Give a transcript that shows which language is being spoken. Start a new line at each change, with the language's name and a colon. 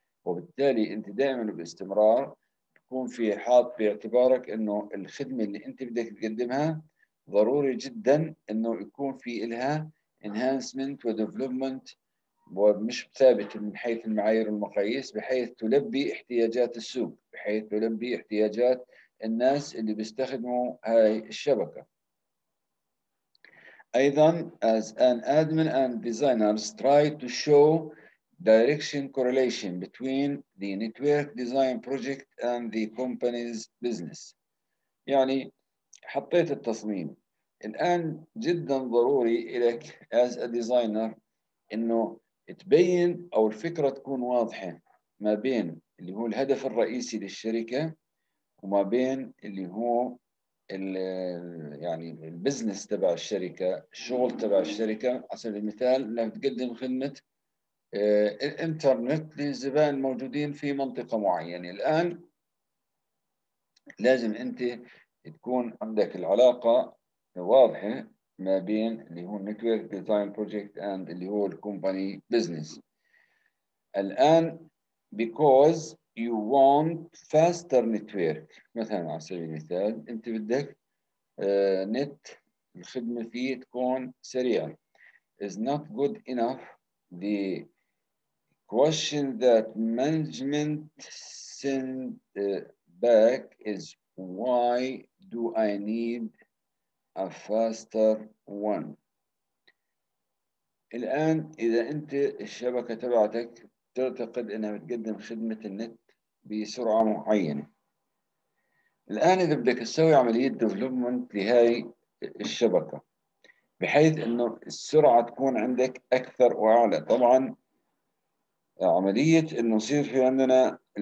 Arabic: وبالتالي انت دائما باستمرار تكون في حاط باعتبارك انه الخدمه اللي انت بدك تقدمها ضروري جدا انه يكون في لها انهانسمنت وديفلوبمنت، ومش ثابت من حيث المعايير والمقاييس، بحيث تلبي احتياجات السوق، بحيث تلبي احتياجات الناس اللي بيستخدموا هاي الشبكه.
English: أيضا as an admin and designers try to show direction correlation between the network design project and the company's business.
Arabic: يعني حطيت التصميم، الآن جدا ضروري إليك
English: as a designer
Arabic: إنه تبين أو الفكرة تكون واضحة ما بين اللي هو الهدف الرئيسي للشركة وما بين اللي هو يعني البزنس تبع الشركة، الشغل تبع الشركة. على سبيل المثال انك تقدم خدمة الانترنت للزبائن الموجودين في منطقة معينة، يعني الآن لازم انت تكون عندك العلاقة واضحة ما بين اللي هو
English: Network Design Project and
Arabic: اللي هو Company Business. الآن
English: because you want faster network،
Arabic: مثلا على سبيل المثال انت بدك نت الخدمه فيه تكون سريعه.
English: is not good enough the question that management send back is why do I need a faster one.
Arabic: الان اذا انت الشبكه تبعتك تعتقد انها بتقدم خدمه النت بسرعة معينة، الآن إذا بدك تسوي عملية development لهاي الشبكة بحيث إنه السرعة تكون عندك أكثر وأعلى، طبعا عملية إنه يصير في عندنا